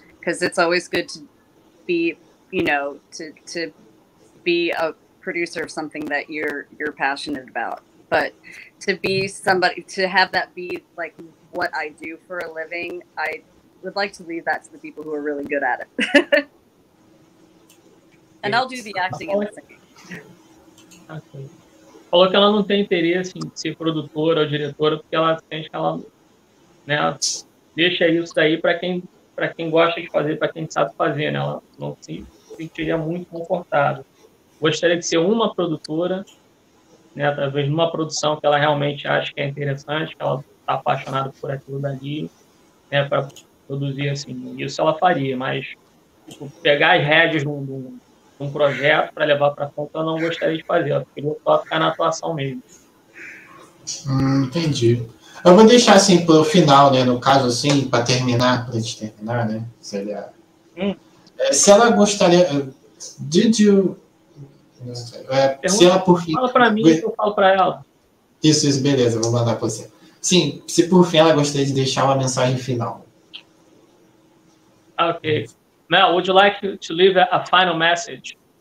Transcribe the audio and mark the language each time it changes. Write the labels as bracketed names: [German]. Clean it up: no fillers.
[English] Because it's always good to be, you know, to be a producer of something that you're passionate about. But to be somebody, to have that be like what I do for a living, I would like to leave that to the people who are really good at it. And I'll do the acting in a second. Okay. [Portuguese] Falou que ela não tem interesse em ser produtora ou diretora, porque ela sente que ela, né, deixa isso aí para quem gosta de fazer, para quem sabe fazer, né? Ela não se sentiria muito confortável. Gostaria de ser uma produtora, né, talvez numa produção que ela realmente acha que é interessante, que ela está apaixonada por aquilo dali, né, para produzir assim. Isso ela faria, mas tipo, pegar as rédeas num projeto para levar para conta, eu não gostaria de fazer. Eu queria só ficar na atuação mesmo. Entendi. Eu vou deixar assim para o final, né, no caso, assim, para a gente terminar, né? Seria... Se ela gostaria. Se ela por fim. Fala para mim que eu falo para ela. Isso, beleza, vou mandar para você. Sim, se por fim ela gostaria de deixar uma mensagem final. Ok. [English] Mel, would you like to leave a final message?